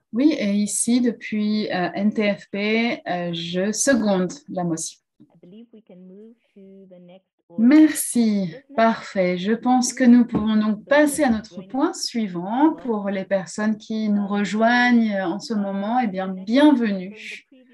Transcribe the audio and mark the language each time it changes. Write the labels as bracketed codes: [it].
[fr] Oui, et ici, depuis NTFP, je seconde la motion. [en] I believe we can move to the next. [fr] Merci, parfait. Je pense que nous pouvons donc passer à notre point suivant. Pour les personnes qui nous rejoignent en ce moment, eh bien, bienvenue.